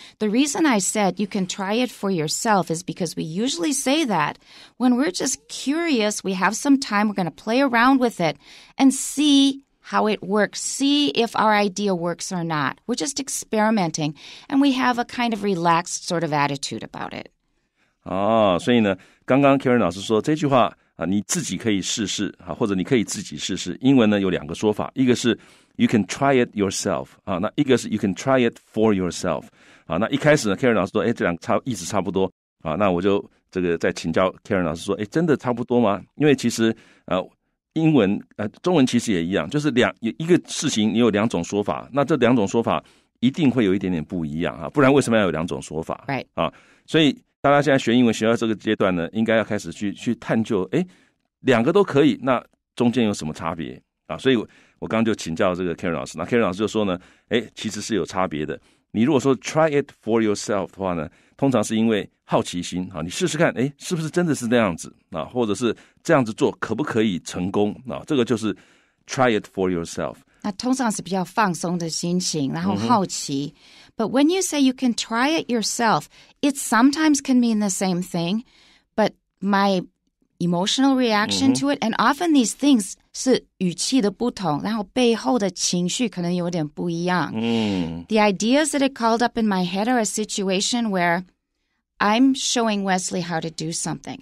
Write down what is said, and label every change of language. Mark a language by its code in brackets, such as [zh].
[en] The reason I said you can try it for yourself is because we usually say that when we're just curious, we have some time, we're going to play around with it and see how it works, see if our idea works or not. We're just experimenting and we have a kind of relaxed sort of attitude about it. [zh] 哦，所以呢，刚刚 Karen 老师说这句话啊，你自己可以试试啊，或者你可以自己试试。英文呢有两个说法，一个是 [en] you can try it yourself [zh] 啊，那一个是 [en] you can try it for yourself [zh] 啊。那一开始呢 ，Karen 老师说，哎，这两个意思差不多啊，那我就这个再请教 Karen 老师说，哎，真的差不多吗？因为其实英文中文其实也一样，就是一个事情你有两种说法，那这两种说法一定会有一点点不一样啊，不然为什么要有两种说法？ [en] Right. [zh] 啊，所以。大家现在学英文学到这个阶段呢，应该要开始去探究，哎，两个都可以，那中间有什么差别啊？所以我刚就请教这个 Karen 老师，那 Karen 老师就说呢，哎，其实是有差别的。你如果说 [en] try it for yourself [zh] 的话呢，通常是因为好奇心啊，你试试看，哎，是不是真的是那样子啊？或者是这样子做可不可以成功啊？这个就是 [en] try it for yourself。 [zh] 那通常是比较放松的心情，然后好奇。 Mm-hmm. [en] But when you say you can try it yourself, it sometimes can mean the same thing. But my emotional reaction、mm-hmm. to it, and often these things [zh] 是语气的不同，然后背后的情绪可能有点不一样。 Mm. [en] The ideas that it called up in my head are a situation where I'm showing Wesley how to do something.